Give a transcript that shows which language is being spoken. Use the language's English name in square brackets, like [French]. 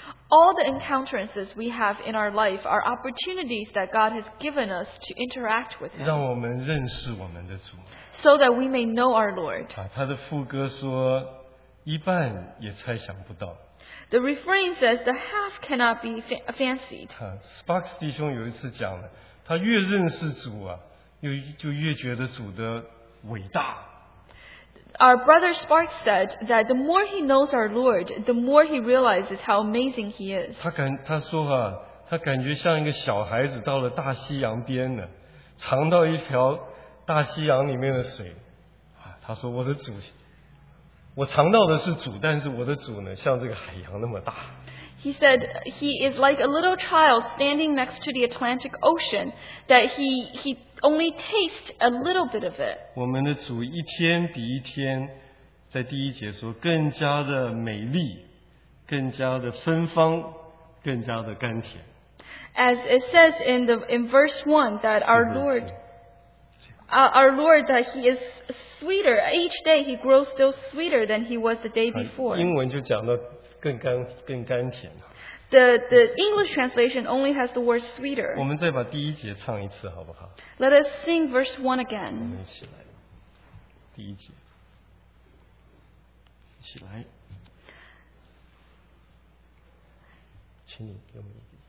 [English] All the encounters we have in our life are opportunities that God has given us to interact with Him. [Chinese] 让我们认识我们的主。 [English] So that we may know our Lord. [Chinese] 啊，他的副歌说，一半也猜想不到。 [English] The refrain says the half cannot be fancied. [Chinese] 啊，Sparks 弟兄有一次讲了，他越认识主啊，就越觉得主的伟大。 [English] Our brother Spark said that the more he knows our Lord, the more he realizes how amazing he is. [Chinese] 他感觉像一个小孩子到了大西洋边呢，尝到一条大西洋里面的水。他说我的主，我尝到的是主，但是我的主呢，像这个海洋那么大。 [English] He said he is like a little child standing next to the Atlantic Ocean, that he only taste a little bit of it. [Chinese] 我们的主一天比一天，在第一节说更加的美丽，更加的芬芳，更加的甘甜。 [English] As it says in verse 1, that our Lord, that he is sweeter. Each day he grows still sweeter than he was the day before. [Chinese] 英文就讲到更甘甜。 [English] The English translation only has the word sweeter. [Chinese] 我们再把第一节唱一次好不好？ [English] Let us sing verse 1 again. [Chinese] 我们一起来，第一节，一起来，请你给我们一点。